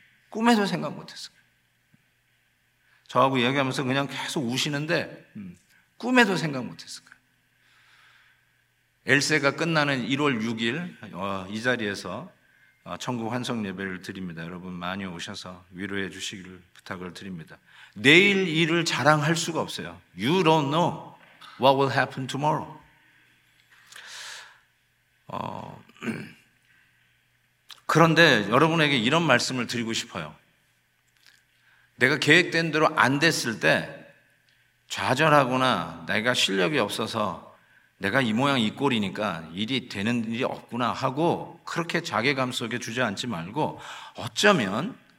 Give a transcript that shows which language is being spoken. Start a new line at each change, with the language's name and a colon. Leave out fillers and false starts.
Korean: 꿈에도 생각 못 했을 거예요. 저하고 이야기하면서 그냥 계속 우시는데 꿈에도 생각 못 했을 거예요. 엘세가 끝나는 1월 6일 이 자리에서 천국 환송 예배를 드립니다. 여러분 많이 오셔서 위로해 주시기를 부탁을 드립니다. 내일 일을 자랑할 수가 없어요.
English: You don't know what will happen tomorrow.
Korean: 그런데 여러분에게 이런 말씀을 드리고 싶어요. 내가 계획된 대로 안 됐을 때 좌절하거나 내가 실력이 없어서 내가 이 모양 이 꼴이니까 일이 되는 일이 없구나 하고 그렇게 자괴감 속에 주저앉지 말고 어쩌면